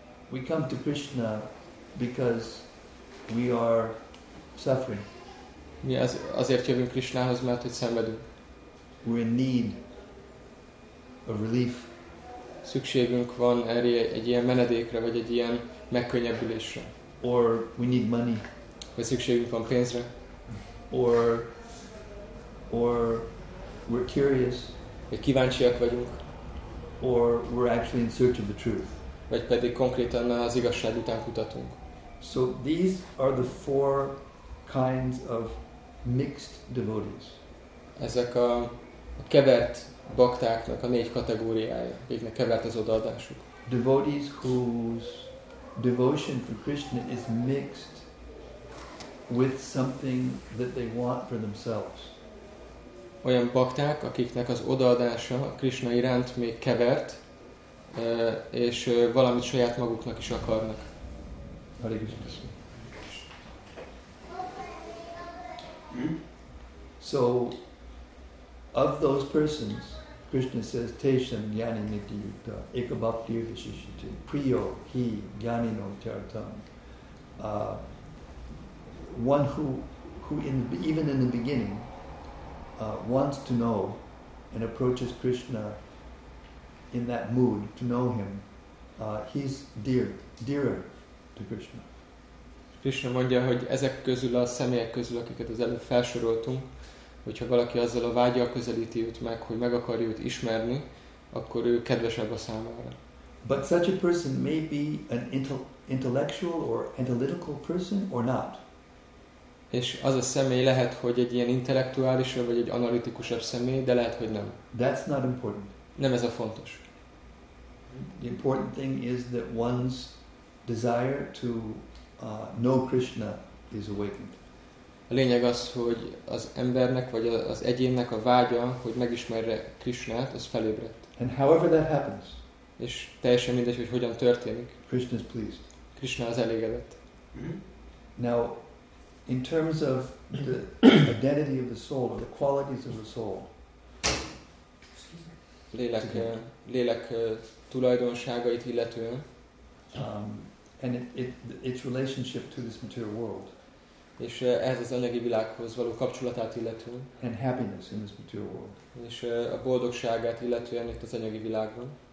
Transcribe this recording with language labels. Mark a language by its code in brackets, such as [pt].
[en] we come to Krishna because we are suffering. [hu] Mi azért jövünk Krishnához, mert hogy szenvedünk. [en] We're in need of relief. [hu] Szükségünk van erre egy ilyen menedékre, vagy egy ilyen megkönnyebbülésre. [en] Or we need money. [hu] Vagy szükségünk van pénzre. [en] Or we're curious. [hu] Vagy kíváncsiak vagyunk. [en] Or we're actually in search of the truth. [hu] Vagy pedig konkrétan az igazság után kutatunk. [en] So these are the four kinds of mixed devotees. [hu] Ezek a kevert baktáknak a négy kategóriája, akiknek kevert az odaadásuk. [en] Devotees whose devotion for Krishna is mixed with something that they want for themselves. [hu] Olyan bakták, akiknek az odaadása Krishna iránt még kevert, és valamit saját maguknak is akarnak. [sa] Hare Krishna. [en] Hmm? So, of those persons, Krishna says, [sa] "Tesham gyani nitya yukta ekabhakti visishite priyo hi gyani no tyartam." [en] One who even in the beginning wants to know and approaches Krishna in that mood to know him, he's dearer to Krishna. [hu] Krishna mondja, hogy ezek közül a személyek közül, akiket az előbb felsoroltunk, hogyha valaki azzal a vágyal közelíti őt meg, hogy meg akarja őt ismerni, akkor ő kedvesebb a számára. [en] But such a person may be an intellectual or analytical person or not. [hu] És az a személy lehet, hogy egy ilyen intellektuálisabb vagy egy analitikusabb személy, de lehet, hogy nem. [en] That's not important. [hu] Nem ez a fontos. [en] The important thing is that one's desire to know Krishna is awakened. [hu] A lényeg az, hogy az embernek vagy az egyénnek a vágya, hogy megismerje Krishnát, az felébredt. [en] And however that happens, [hu] és teljesen mindegy, hogy hogyan történik. [en] Krishna is pleased. [hu] Krishna az elégedett. [en] Now, in terms of the identity of the soul or the qualities of the soul, [hu] lélek tulajdonságait illetően, [en] and its relationship to this material world. [hu] És ehhez az anyagi világhoz való kapcsolatát illetően. [en] And happiness in this material world. [hu] És a boldogságát illetően itt az anyagi világban.